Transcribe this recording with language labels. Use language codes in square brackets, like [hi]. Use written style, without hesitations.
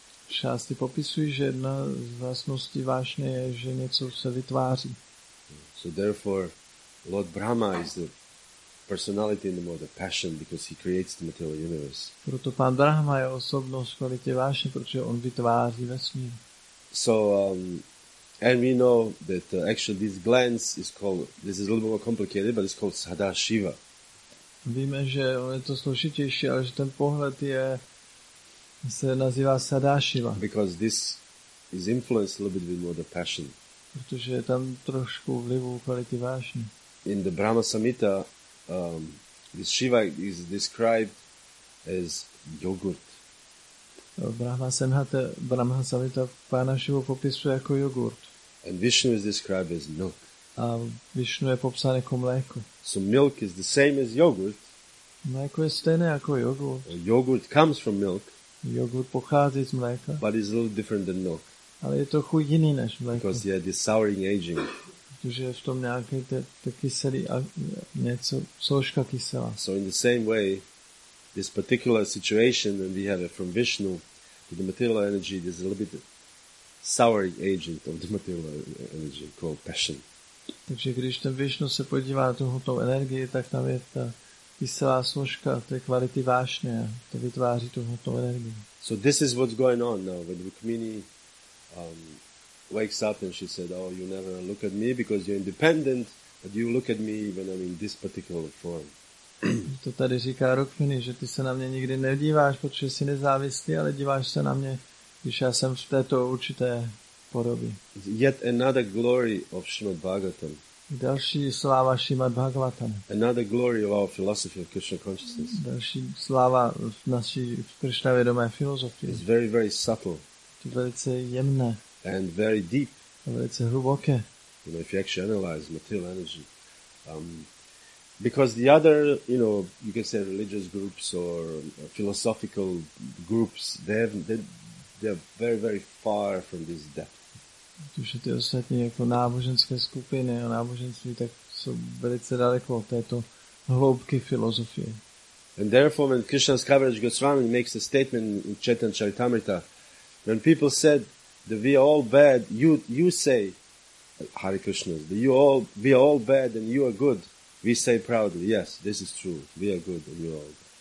[cs] Šásty popisují, že jedna z vlastností vášně je, že něco se vytváří. [en] So therefore, Lord Brahma is the personality in the mode of passion because he creates the material universe. [cs] Proto pán Brahma je osobnost kvality vášně, protože on vytváří vesmír. [en] So, and we know that actually this glance is called, this is a little more complicated, but it's called Sadashiva. [cs] Víme, že je to složitější, ale že ten pohled je, se nazývá Sadashiva. [en] Because this is influenced a little bit more the passion. [cs] Protože je tam trošku vlivu kvality vášně. [en] In the Brahma Samhita, this Shiva is described as yogurt. [cs] Brahma Samhita Pána Šivu popisuje jako jogurt. [en] And Vishnu is described as milk. [cs] A Vishnu je popsán jako mléko. [en] So milk is the same as yogurt. [cs] Mléko je stejné jako jogurt. [en] A yogurt comes from milk. [cs] Jogurt pochází z mléka. [en] But it's a little different than milk. [cs] Ale je to chuť jiný než mléko. [en] Because he had this souring aging. [cs] Protože je v tom nějaký ten kyselý a něco, složka kysela. [en] So in the same way, this particular situation that we have from Vishnu to the material energy, there's a little bit souring agent of the material energy called passion. [cs] Takže když ten Vishnu se podívá na tu hmotnou energii, tak tam je ta kyselá složka té kvality vášně, to vytváří tu hmotnou energii. [en] So this is what's going on now when Rukmini wakes up and she said, oh, you never look at me because you're independent, but you look at me when I'm in this particular form. [cs] To tady říká Rukmini, že ty se na mě nikdy nedíváš, protože jsi nezávislý, ale díváš se na mě, když já jsem v této určité podobě. [en] Yet another glory of Srimad Bhagavatam. [cs] Další sláva Šrimad Bhagavatam. [en] Another glory of our philosophy of Krishna consciousness. [cs] Další sláva v naší Krishna vědomé filozofii. [en] It's very, very subtle. [cs] To je velice jemné. [en] And very deep. [cs] A velice hluboké. [en] You know, if you actually analyze material energy, because the other, you know, you can say religious groups or philosophical groups, they're very, very far from this depth. [cs] Protože ty ostatní jako náboženské skupiny a náboženství, tak jsou velice daleko od této hloubky filozofie. [en] And therefore, when Krishna's Kaviraj Goswami makes a statement in Chaitanya Charitamrita, when people said that we are all bad, you say, Hare Krishna, we are all bad and you are good, we say proudly, yes, this is true, we are good and you are all bad.